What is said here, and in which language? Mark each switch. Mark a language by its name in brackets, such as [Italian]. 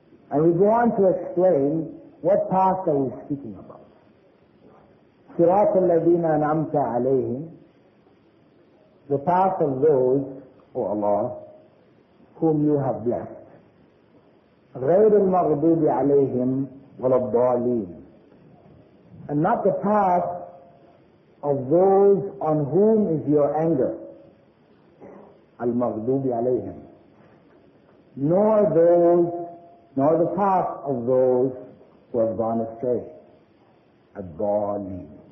[English] And we go on to explain what path are we speaking about. [Arabic] Sirat al-Ladina an'amta alayhim, [English] the path of those, O Allah, whom you have blessed. [Arabic] غير المغضوب عليهم ولا الضالين. [English] And not the path of those on whom is your anger. Al-Maghdubi alayhim. Nor the path of those who have gone astray. Ad-Dalin.